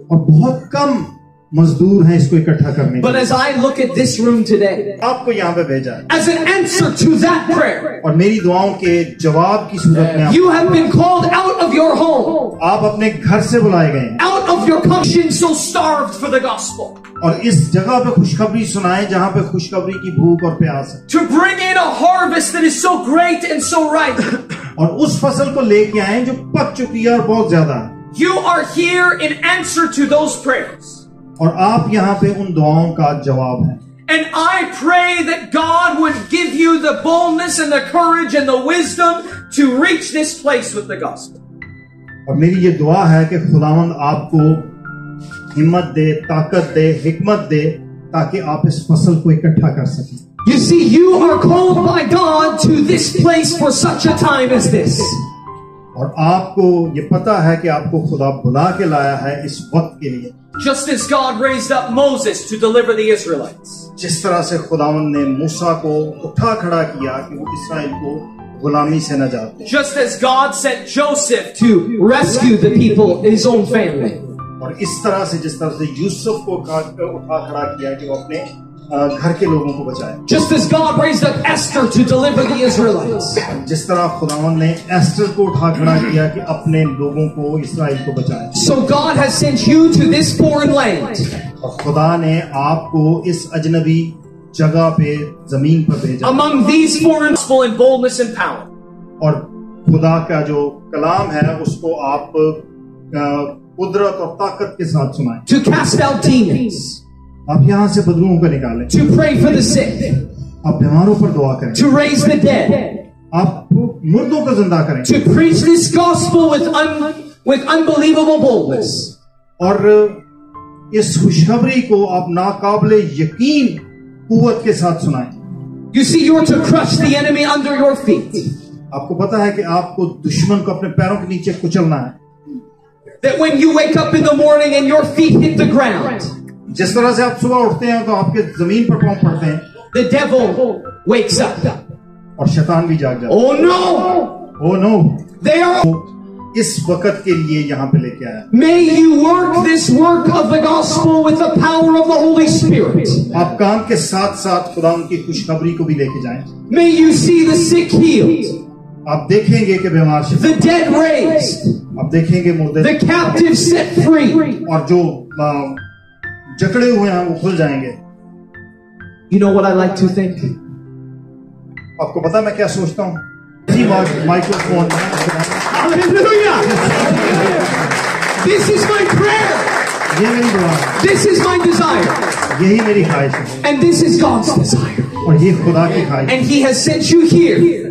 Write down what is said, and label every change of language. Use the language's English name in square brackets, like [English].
[Hindi] और बहुत कम मजदूर हैं इसको इकट्ठा करने. [English] But as I look at this room today, [Hindi] आपको यहाँ पे भेजा. [English] As an answer to that prayer, [Hindi] और मेरी दुआओं के जवाब की सूरत में, [English] you have been called out of your home. [Hindi] आप अपने घर से बुलाए गए. [English] Out of your conscience, so starved for the gospel. [Hindi] और इस जगह पे खुशखबरी सुनाए जहाँ पे खुशखबरी की भूख और प्यास है. [English] To bring in a harvest that is so great and so ripe. [Hindi] और उस फसल को लेके आए जो पक चुकी है और बहुत ज्यादा. [English] You are here in answer to those prayers. [Hindi] और आप यहाँ पे उन दुआओं का जवाब है. [English] And I pray that God would give you the boldness and the courage and the wisdom to reach this place with the gospel. [Hindi] और मेरी ये दुआ है कि खुदावंद आपको हिम्मत दे, ताकत दे, हिकमत दे, ताकि आप इस फसल को इकट्ठा कर सकें. [English] You see, you are called by God to this place for such a time as this. [Hindi] और आपको ये पता है कि आपको खुदा बुला के लाया है इस वक्त के लिए. [English] Just as God raised up Moses to deliver the Israelites. [Hindi] जिस तरह से खुदावंद ने मूसा को उठा खड़ा किया कि वो इस्राएल को गुलामी से निजात दे. [English] Just as God sent Joseph to rescue the people in his own family. [Hindi] और इस तरह से जिस तरह से यूसुफ को उठा खड़ा किया कि वो अपने घर के लोगों को बचाए. [English] Just as God raised up Esther to deliver the Israelites. [Hindi] जिस तरह खुदावंद ने एस्टर को उठा खड़ा किया कि अपने लोगों को, इसराइल को बचाए. [English] So God has sent you to this foreign land. [Hindi] और खुदा ने आपको इस अजनबी जगह पे, जमीन पर भेजा. [English] Among these foreign people in boldness and power. [Hindi] और खुदा का जो कलाम है उसको आप कुदरत और ताकत के साथ सुनाए. [English] To cast out demons. [Hindi] आप यहां से बदलुओं को निकालें. [English] To pray for the sick. [Hindi] आप बीमारों पर दुआ करें. [English] To raise the dead. [Hindi] आप मुर्दों को जिंदा करें. [English] To preach this gospel with unbelievable boldness. [Hindi] और इस खुशखबरी को आप नाकाबले यकीन कुवत के साथ सुनाएं. [English] You see, you are to crush the enemy under your feet. [Hindi] आपको पता है कि आपको दुश्मन को अपने पैरों के नीचे कुचलना है. [English] That when you wake up in the morning and your feet hit the ground. [Hindi] जिस तरह से आप सुबह उठते हैं तो आपके जमीन पर पांव पड़ते हैं. [English] The devil wakes up. [Hindi] और शैतान भी जाग जाता. [English] Oh no! Oh no! They are. [Hindi] इस वक्त के लिए यहाँ पे लेके आया. [English] May you work this work of the gospel with the power of the Holy Spirit. [Hindi] आप काम के साथ साथ खुदा की खुशखबरी को भी लेके जाएं. [English] May you see the sick healed. [Hindi] आप देखेंगे कि बीमार [English] शिफा the dead raised [Hindi] आप देखेंगे [English] मुर्दे the captive set free [Hindi] और जो जकड़े हुए हैं वो खुल जाएंगे [English] you know what I like to think [Hindi] आपको पता मैं क्या सोचता हूं जी was microphone [English] hallelujah this is my prayer [Hindi] ये मेरी दुआ है [English] this is my desire [Hindi] यही मेरी ख्वाहिश है [English] and this is God's desire [Hindi] और ये खुदा की ख्वाहिश [English] है and he has sent you here